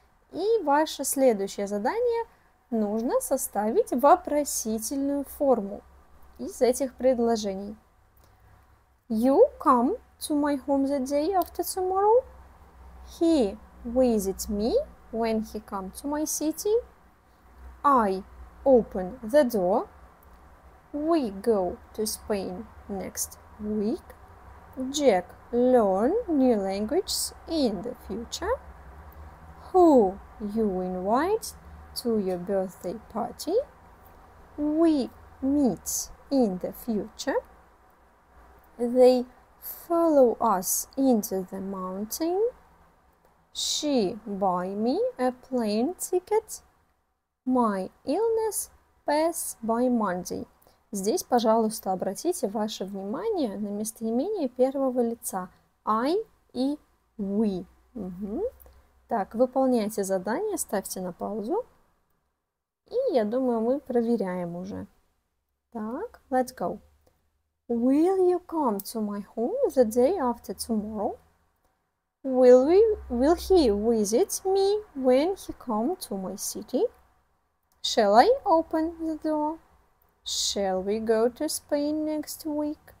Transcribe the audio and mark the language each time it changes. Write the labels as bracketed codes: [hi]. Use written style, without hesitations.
[ru] И ваше следующее задание – нужно составить вопросительную форму из этих предложений. [en] You come to my home the day after tomorrow. He visits me when he comes to my city. I open the door. We go to Spain next week. Jack learn new languages in the future. Who you invite to your birthday party. We meet in the future. They follow us into the mountain. She buy me a plane ticket. My illness pass by Monday. [ru] Здесь, пожалуйста, обратите ваше внимание на местоимение первого лица I и we. Так, выполняйте задание, ставьте на паузу. И я думаю, мы проверяем уже. Так, [en] let's go. Will you come to my home the day after tomorrow? Will he visit me when he come to my city? Shall I open the door? Shall we go to Spain next week?